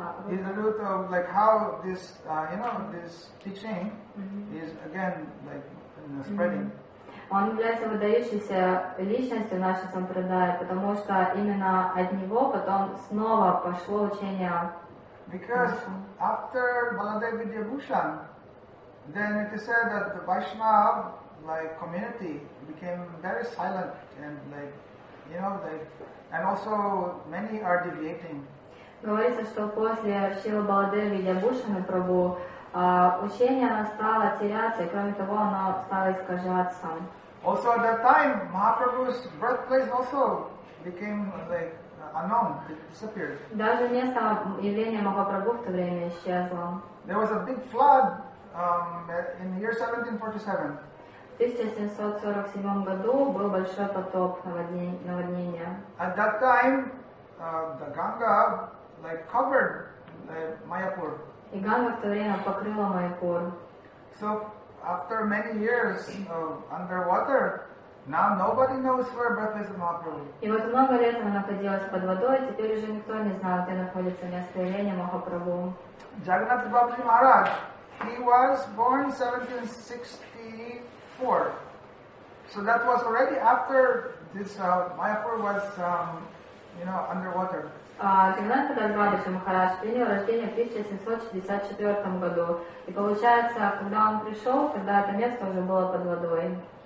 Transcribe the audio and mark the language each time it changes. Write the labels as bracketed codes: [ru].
[en] He's the root of like how this this teaching is again like spreading. [ru] Он является выдающейся личностью нашей сампрадаи, потому что именно от него потом снова пошло учение. [en] Because after Baladev Vidyabhushan, then it is said that the Vaishnava like community became very silent and like, you know, like, and also many are deviating. [ru] Говорится, что после Шрила Баладеви Ябушины Прабху учение она стала теряться, и кроме того, она стала искажаться. [en] Also at that time, Mahaprabhu's birthplace also became like unknown, it disappeared. [ru] Даже место явления Махапрабху в то время исчезло. [en] There was a big flood in the year 1747. [ru] В 1747 году был большой потоп, наводнение. [en] At that time, the Ganga like covered Mayapur. [ru] И Ганга в то время покрыла Майяпур. [en] So after many years of underwater, now nobody knows where birthplace of Mahaprabhu. [ru] И вот много лет она находилась под водой, теперь уже никто не знает, где находится место явления Махапрабху. [en] Jagannath Babaji Maharaj, he was born 1764. So that was already after this Mayapur was underwater. [ru] Когда Джагнат Махарадж принял рождение в 1764 году, и получается, когда он пришел, тогда это место уже было под водой.